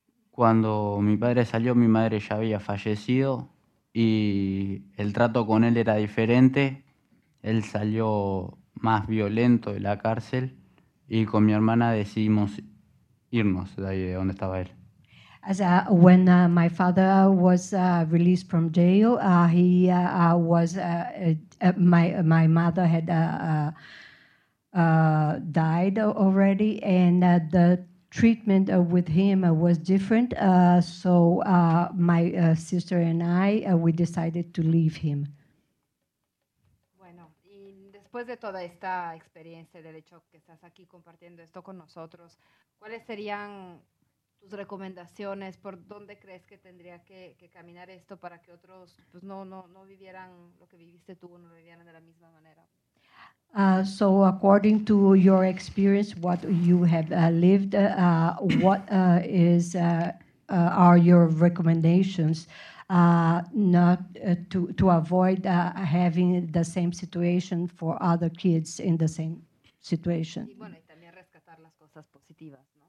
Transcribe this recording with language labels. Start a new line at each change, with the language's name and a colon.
Spanish: Cuando mi padre salió, mi madre ya había fallecido y el trato con él era diferente. Él salió más violento de la cárcel y con mi hermana decidimos irnos de ahí de donde estaba él.
English: As when my father was released from jail, he was my mother had died already, and the treatment with him was different. So my sister and I we decided to leave him.
Spanish: Bueno, y después de toda esta experiencia del hecho que estás aquí compartiendo esto con nosotros, ¿cuáles serían tus recomendaciones? ¿Por dónde crees que tendría que caminar esto para que otros pues no vivieran lo que viviste tú, no vivieran de la misma manera?
English: So according to your experience, what you have lived, what is are your recommendations not to avoid having the same situation for other kids in the same situation?
Spanish: Y bueno, y también rescatar las cosas positivas.